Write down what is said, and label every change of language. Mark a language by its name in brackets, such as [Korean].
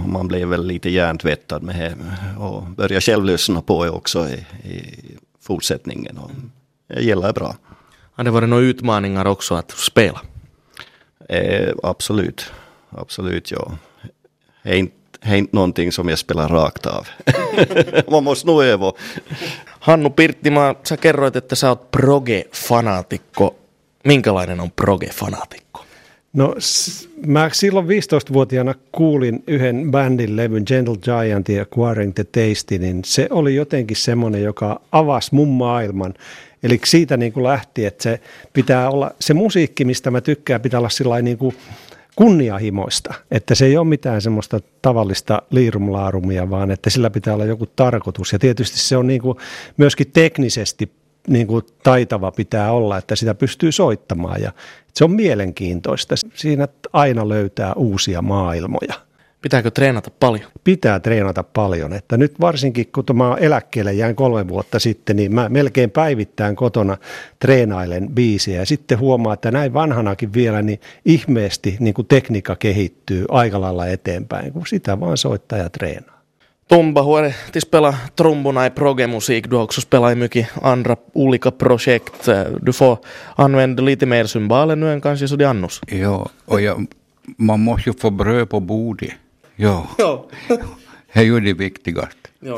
[Swedish] Man blev väl lite hjärntvättad med det och började själv lyssna på det också i fortsättningen. Och det gäller bra. Har det varit några utmaningar också att spela? Absolut. Absolut, ja. Det är inte någonting som jag spelar rakt av. Man måste nog öva. [Finnish] Hannu Pirttimaa, sä kerroit, että sä oot proge-fanaatikko. Minkälainen on proge-fanaatikko? No, mä silloin 15-vuotiaana kuulin yhden bändin levyn, Gentle Giant ja Acquiring the Taste, niin se oli jotenkin semmoinen, joka avasi mun maailman. Eli siitä niin kuin lähti, että se pitää olla se musiikki, mistä mä tykkään, pitää olla sillain niin kuin kunnianhimoista. Että se ei ole mitään semmoista tavallista liirumlaarumia, vaan että sillä pitää olla joku tarkoitus. Ja tietysti se on niin kuin myöskin teknisesti niin kuin taitava pitää olla, että sitä pystyy soittamaan. Ja se on mielenkiintoista. Siinä aina löytää uusia maailmoja. Pitääkö treenata paljon? Pitää treenata paljon. Että nyt varsinkin, kun mä eläkkeelle jään 3 vuotta sitten, niin mä melkein päivittäin kotona treenailen biisiä. Ja sitten huomaa, että näin vanhanakin vielä, niin ihmeesti niin kuin tekniikka kehittyy aika lailla eteenpäin, kun sitä vaan soittaa ja treenaa. [Swedish] Tumba huore, tis pela trumbuna i progemusik, du också spelar mycket andra olika projekt. Du får använda lite mer symboler nu än kanske så det annars. Ja, och jag... Man måste ju få bröd på bordet. Ja. Det är ju det viktigaste. Ja.